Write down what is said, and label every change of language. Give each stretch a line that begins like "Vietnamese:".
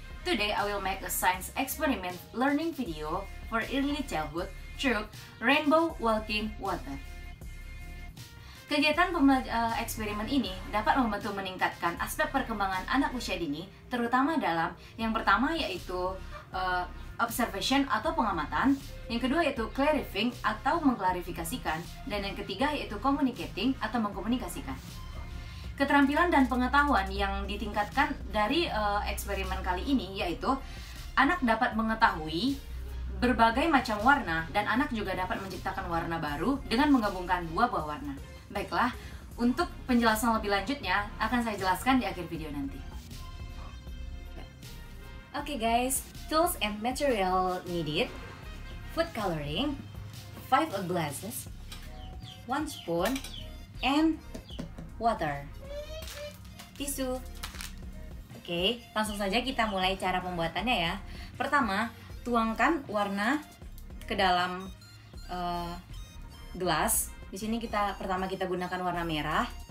English: Today, I will make a science experiment learning video for Early Childhood through Rainbow Walking Water.
Indonesian: Kegiatan eksperimen ini dapat membantu meningkatkan aspek perkembangan anak usia dini, terutama dalam yang pertama yaitu observation atau pengamatan, yang kedua yaitu clarifying atau mengklarifikasikan, dan yang ketiga yaitu communicating atau mengkomunikasikan. Keterampilan dan pengetahuan yang ditingkatkan dari eksperimen kali ini yaitu anak dapat mengetahui berbagai macam warna dan anak juga dapat menciptakan warna baru dengan menggabungkan dua buah warna. Baiklah, untuk penjelasan lebih lanjutnya akan saya jelaskan di akhir video nanti.
English: Okay guys, tools and material needed: food coloring, 5 glasses, 1 spoon, and water.
Indonesian: Tisu. Okay, langsung saja kita mulai cara pembuatannya ya. Pertama, tuangkan warna ke dalam gelas. Di sini pertama kita gunakan warna merah.